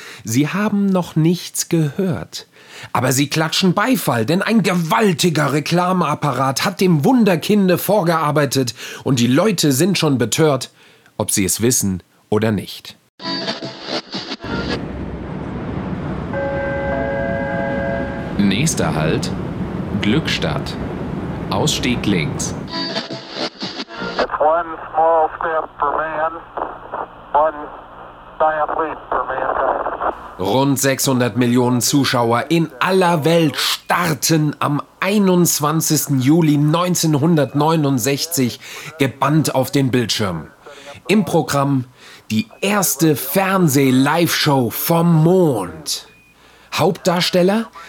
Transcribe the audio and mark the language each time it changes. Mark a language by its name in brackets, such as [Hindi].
[German] Sie haben noch nichts gehört. Aber sie klatschen Beifall, denn ein gewaltiger Reklameapparat hat dem Wunderkinde vorgearbeitet und die Leute sind schon betört, ob sie es wissen oder nicht. Nächster Halt, Glückstadt. Ausstieg links. [English] It's one small step for man, one giant leap for mankind. [German] Rund 600 Millionen Zuschauer in aller Welt starten am 21. Juli 1969 gebannt auf den Bildschirm. Im Programm die erste Fernseh-Live-Show vom Mond. Hauptdarsteller?